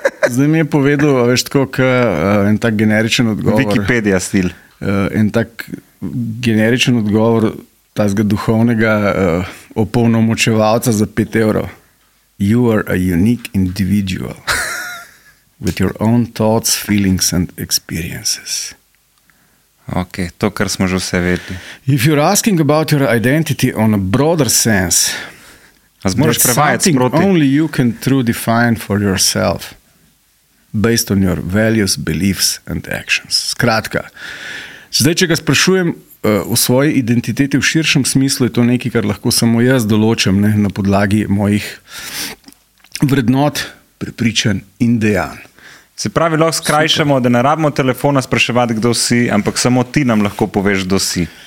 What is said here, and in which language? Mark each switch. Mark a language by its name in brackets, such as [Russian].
[Slovenian] Zdaj mi je povedal, veš, tako, k, en tak generičen odgovor. Wikipedia stil. En tak generičen odgovor tazga duhovnega opolnomočevalca za 5 evrov. [English] You are a unique individual with your own thoughts, feelings and experiences. [Slovenian] Ok, to, kar smo že vse vedeli. [English] If you're asking about your identity on a broader sense, [Slovenian] zmoraš prevajati sproti. [English] Only you can truly define for yourself. Based on your values, beliefs and actions. [Slovenian] Skratka, zdaj, če ga sprašujem v svoji identiteti v širšem smislu, je to nekaj, kar lahko samo jaz določim, ne, na podlagi mojih vrednot, prepričan in dejanj. Se pravi, lahko skrajšamo, super, da ne rabimo telefona spraševati, kdo si, ampak samo ti nam lahko poveš, kdo si.